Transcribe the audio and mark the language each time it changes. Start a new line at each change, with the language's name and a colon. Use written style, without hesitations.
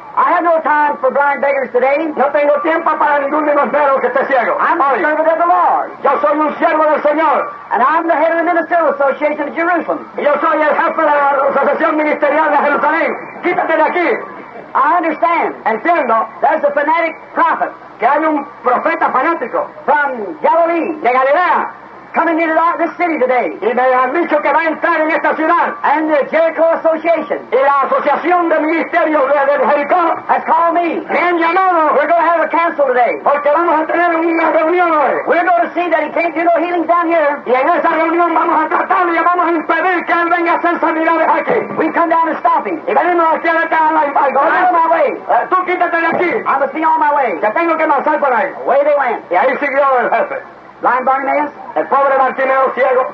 English: I have no time for blind beggars today.
Spanish: No tengo tiempo para ningún limosnero que esté ciego.
English: I'm a servant of the Lord.
Spanish: Yo soy un siervo del Señor.
English: And I'm the head of the Ministerial Association of Jerusalem.
Spanish: Y yo soy el jefe de la Asociación Ministerial de Jerusalén. Quítate de aquí.
English: I understand.
Spanish: Entiendo.
English: There's a fanatic prophet.
Spanish: Que hay un profeta fanático.
English: From Galilee.
Spanish: De Galilea.
English: Coming into this city today.
Spanish: Y me han dicho que va a entrar en esta ciudad.
English: And the Jericho Association.
Spanish: Y la Asociación de Ministerios de Jericó.
English: Has called me.
Spanish: Me han llamado.
English: We're going to have a council today.
Spanish: Porque vamos a tener una reunión hoy.
English: We're going to see that he can't do no healings down here.
Spanish: Y en esa reunión vamos a tratar y vamos a impedir que él venga a hacer sanidades aquí.
English: We come down to stop him.
Spanish: Y venimos aquí a la casa.
English: Go out of my way.
Spanish: Tú quítate de aquí.
English: I must be on my way.
Spanish: Ya tengo que marchar por ahí.
English: Away they went.
Spanish: Y ahí siguió el jefe.
English: Blind Bartimaeus,
Spanish: el pobre Bartimeo ciego,